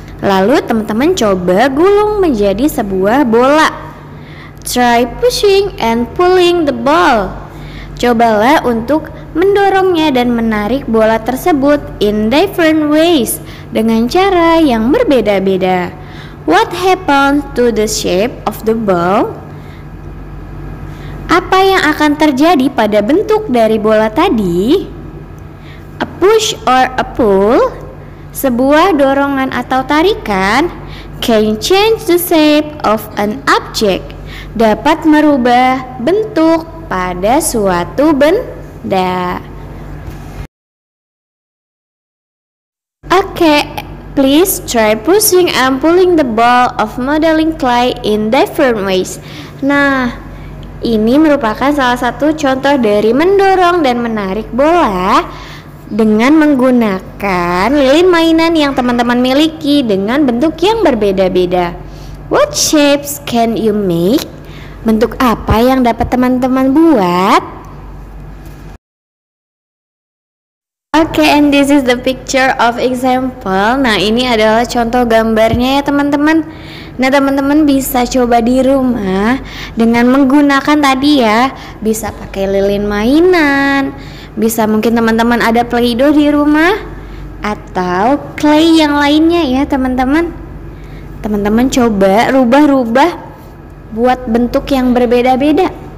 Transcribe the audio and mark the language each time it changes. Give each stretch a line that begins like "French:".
Indonesian: Lalu teman-teman coba gulung menjadi sebuah bola. Try pushing and pulling the ball. Cobalah untuk mendorongnya dan menarik bola tersebut in different ways, dengan cara yang berbeda-beda.
English: What happened to the shape of the ball?
Indonesian: Apa yang akan terjadi pada bentuk dari bola tadi?
English: A push or a pull, sebuah dorongan atau tarikan, can change the shape of an object, dapat merubah bentuk pada suatu benda. Oke, please try pushing and pulling the ball of modeling clay in different ways.
Indonesian: Nah, ini merupakan salah satu contoh dari mendorong dan menarik bola dengan menggunakan lilin mainan yang teman-teman miliki dengan bentuk yang berbeda-beda. What shapes can you make? Bentuk apa yang dapat teman-teman buat?
English: Okay, and this is the picture of example.
Indonesian: Nah, ini adalah contoh gambarnya ya teman-teman. Nah, teman-teman bisa coba di rumah dengan menggunakan tadi ya. Bisa pakai lilin mainan. Bisa mungkin teman-teman ada Play-Doh di rumah. Atau clay yang lainnya ya teman-teman. Teman-teman coba rubah-rubah buat bentuk yang berbeda-beda.